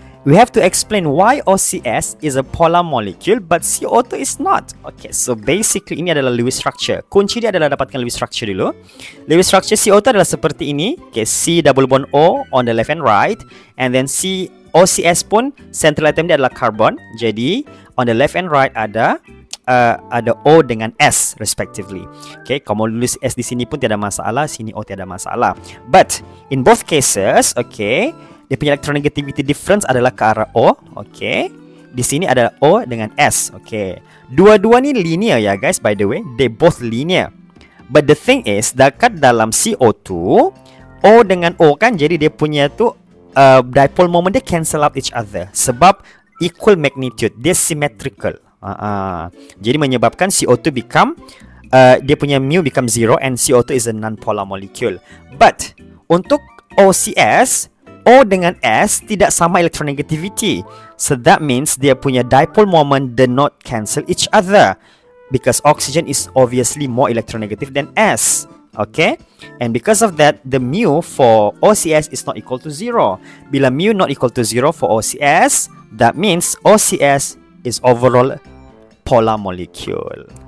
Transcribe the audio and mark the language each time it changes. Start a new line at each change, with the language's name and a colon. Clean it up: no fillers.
English: We have to explain why OCS is a polar molecule, but CO2 is not. Okay, so basically,
Malay: ini adalah
English: Lewis structure.
Malay: Kunci dia adalah dapatkan Lewis structure dulu. Lewis structure CO2 adalah seperti ini.
English: Okay, C double bond O on the left and right. And then C OCS pun, central atom
Malay: dia adalah
English: carbon.
Malay: Jadi,
English: on the left and right
Malay: ada
English: O dengan S respectively.
Malay: Okay, kalau mau tulis S di sini pun tiada masalah, sini O tiada masalah.
English: But in both cases,
Malay: okay, Dia punya electronegativity difference adalah ke arah O. Okay. Di sini adalah O dengan S. Okay. Dua-dua ni linear ya guys,
English: by the way. They both linear. But the thing is,
Malay: dekat dalam CO2, O dengan O kan, jadi dia punya tu
English: dipole moment dia cancel out each other. Sebab equal magnitude. Dia symmetrical.
Malay: Jadi menyebabkan
English: CO2 become
Malay: dia punya
English: mu become zero and CO2 is a non-polar molecule.
Malay: But untuk OCS, O dengan S tidak sama electronegativity.
English: So that means
Malay: dia punya
English: dipole moment do not cancel each other because oxygen is obviously more electronegative than S. Okay? And because of that, the mu for OCS is not equal to zero.
Malay: Bila
English: mu not equal to zero for OCS, that means OCS is overall polar molecule.